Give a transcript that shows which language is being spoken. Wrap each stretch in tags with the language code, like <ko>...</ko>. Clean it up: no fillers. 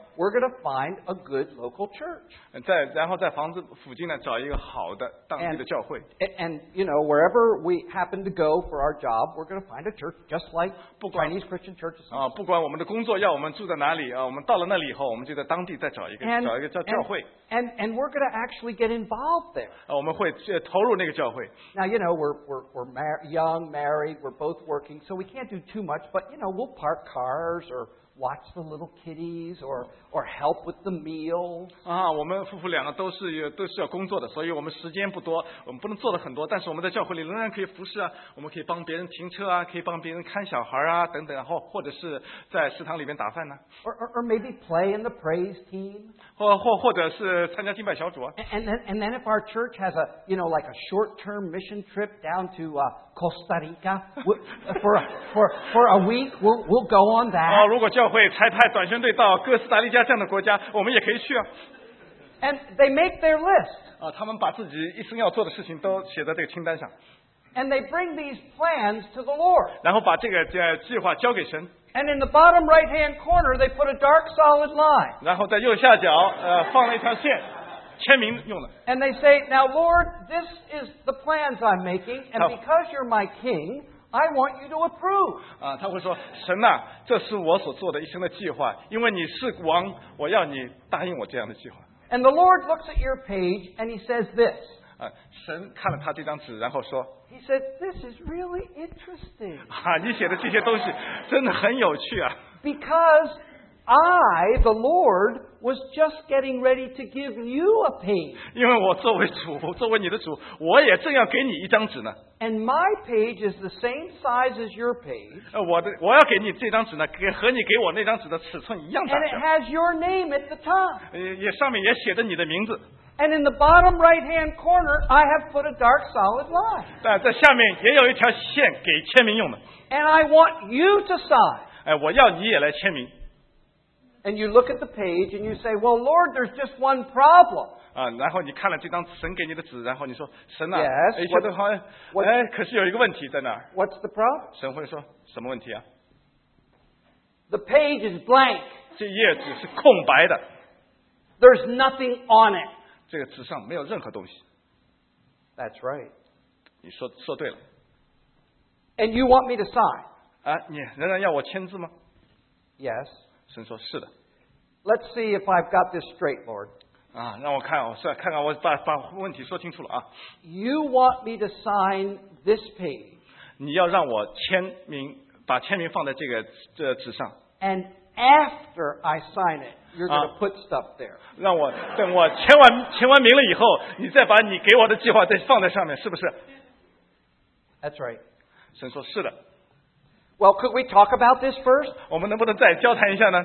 <en>we're going to find a good local church.</en> <zh>然后在房子附近呢找一个好的当地的教会。</zh> <en>And you know, wherever we happen to go for our job, we're going to find a church just like Chinese Christian churches.</en> <zh>不管我们的工作要我们住在哪里啊，我们到了那里以后，我们就在当地再找一个教会。</zh> <en>And we're going to actually get involved there.</en> <zh>我们会投入那个教会。</zh> <en>Now you know we're young, married, we're both working, so we can't do too much. But you know we'll park cars or watch the little kitties or help with the meals.</en> <zh>我们夫妇两个都是要工作的，所以我们时间不多，我们不能做的很多，但是我们在教会里仍然可以服侍啊，我们可以帮别人停车啊，可以帮别人看小孩啊等等，或者是在食堂里面打饭呢、啊。</zh> <en>Or maybe play in the praise team.</en> <zh>或者是参加敬拜小组、啊。</zh> <en>And then if our church has a you know like a short term mission trip down to Costa Rica for a week, we'll go on that.</en> <zh>如果教会才派短宣队到哥斯达黎加这样的国家，我们也可以去啊。</zh> <en>And they make their list.</en> <zh>他们把自己一生要做的事情都写在这个清单上。</zh> <en>And they bring these plans to the Lord.</en> <zh>然后把这个计划交给神。</zh> <en>And in the bottom right-hand corner, they put a dark solid line.</en> <zh>然后在右下角放了一条线，签名用的。</zh> <en>And they say, "Now, Lord, this is the plans I'm making, and because you're my king, I want you to approve."</en> <zh>他会说，神呐、啊，这是我所做的一生的计划，因为你是王，我要你答应我这样的计划。</zh> <en>And the Lord looks at your page and he says this.</en> <zh>神看了他这张纸，然后说。</zh> <en>He said, "This is really interesting."</en> <zh>你写的这些东西真的很有趣啊。</zh> <en>Because I, the Lord, was just getting ready to give you a page.</en> <zh>因为我作为主，作为你的主，我也正要给你一张纸呢。</zh> <en>And my page is the same size as your page.</en> <zh>我要给你这张纸呢，和你给我那张纸的尺寸一样大小。</zh> <en>And it has your name at the top.</en> <zh>也上面也写着你的名字。</zh> <en>And in the bottom right-hand corner, I have put a dark solid line.</en> <zh>在下面也有一条线给签名用的。</zh> <en>And I want you to sign.</en> <zh>哎，我要你也来签名。</zh> <en>And you look at the page and you say, "Well, Lord, there's just one problem."</en> <zh>啊，然后你看了这张神给你的纸，然后你说，神啊，</zh> <en>yes,</en> <zh>哎，觉得好像，哎，可是有一个问题在哪儿</zh> <en>？What's the problem?</en> <zh>神会说什么问题啊</zh> <en>？The page is blank.</en> <zh>这页纸是空白的。</zh> <en>There's nothing on it.</en> <zh>这个纸上没有任何东西。</zh> <en>That's right.</en> <zh>你说对了。</zh> <en>And you want me to sign?</en> <zh>啊，你仍然要我签字吗</zh> <en>？Yes.</en> <zh>神说是的。</zh> <en>Let's see if I've got this straight, Lord.</en> <zh>啊，让我看，看看我把问题说清楚了啊。</zh> <en>You want me to sign this page?</en> <zh>你要让我签名，把签名放在这个纸上。</zh> <en>And after I sign it, you're going to put stuff there.</en> <zh>让我等我签完名了以后，你再把你给我的计划再放在上面，是不是</zh> <en>？That's right.</en> <zh>神说是的。</zh> <en>Well, could we talk about this first?</en> <zh>我们能不能再交谈一下呢？</zh>